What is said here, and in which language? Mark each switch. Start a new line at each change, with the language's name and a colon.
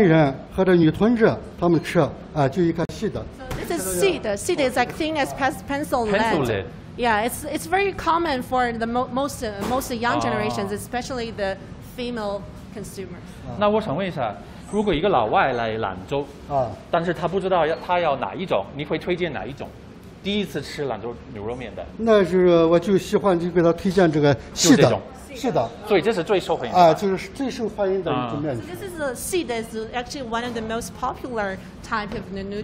Chinese: 就是，这个是什么？这个我捞一个细的，就是一个大众化的面食，就是普通人都喜欢，因为那个太毛细，它就压里面嚼起来没有这个筋道。细的话，它有一个筋道，也就是适合这个中年人或者女同志他们吃，就一个细的。
English: So this is seed. Seed is like thin as pencil length. Yeah, it's very common for the most young generations, especially the female consumers.
Chinese: 那我想问一下，如果一个老外来兰州，但是他不知道要他要哪一种，你会推荐哪一种？第一次吃兰州牛肉面的？那是我就喜欢这个，他推荐这个细的，就是最受欢迎的一种面食。
English: So this is a seed is actually one of the most popular type of noodles.